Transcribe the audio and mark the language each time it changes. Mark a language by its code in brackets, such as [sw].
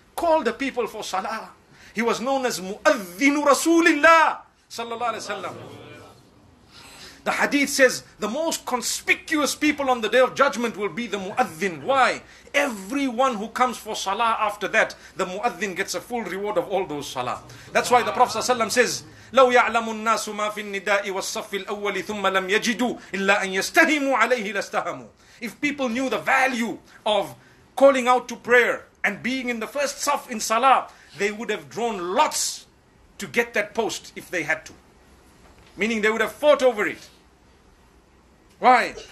[en] Call the people for salah. He was known as Mu'adhinu Rasulillah sallallahu alaihi wasallam. The hadith says the most conspicuous people on the day of judgment will be the Mu'adhin. Why? Everyone who comes for salah after that, the Mu'adhin gets a full reward of all those salah. [ar] That's why the Prophet sallallahu alaihi wasallam says, لو يعلم الناس ما في النداء والصف الأول ثم لم يجدوا إلا أن يستهموا عليه لاستهموا. [en] If people knew the value of calling out to prayer and being in the first saf in salah, they would have drawn lots to get that post if they had to. Meaning they would have fought over it. Why?